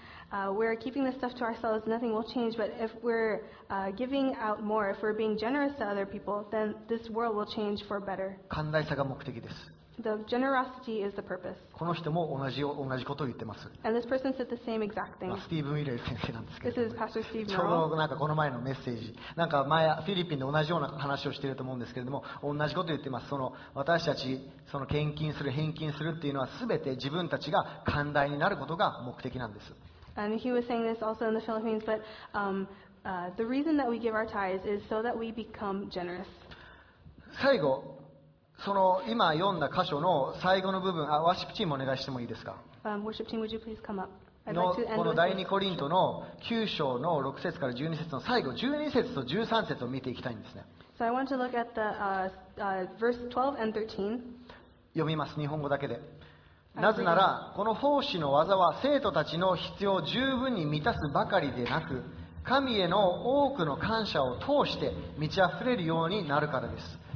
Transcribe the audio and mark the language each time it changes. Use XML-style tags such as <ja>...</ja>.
<en>We're keeping this stuff to ourselves, nothing will change. But if we're giving out more, if we're being generous to other people, then this world will change for better.</en> <ja>寛大さが目的です。</ja> <en>The generosity is the purpose.</en> <ja>この人も同じことを言ってます。</ja> <en>And this person said the same exact thing.</en> <ja>スティーブン・ウィレル先生なんですけど。</ja> <en>This is Pastor Steve Miller.</en> <ja>ちょうどなんかこの前のメッセージ、なんか前フィリピンで同じような話をしていると思うんですけれども、同じことを言ってます。その私たちその献金する返金するっていうのは、すべて自分たちが寛大になることが目的なんです。</ja> <en>And he was saying this also in the Philippines, but the reason that we give our tithes is so that we become generous.</en> <ja>最後、その今読んだ箇所の最後の部分、ワーシップチームお願いしてもいいですか。</ja> <en>Worship team, would you please come up?</en> <ja>この第二コリントの9章の6節から12節の最後、12節と13節を見ていきたいんですね。</ja> <en>So I want to look at the verse 12 and 13.</en> <ja>読みます、日本語だけで。なぜならこの奉仕の技は生徒たちの必要を十分に満たすばかりでなく、神への多くの感謝を通して満ち溢れるようになるからです。</ja>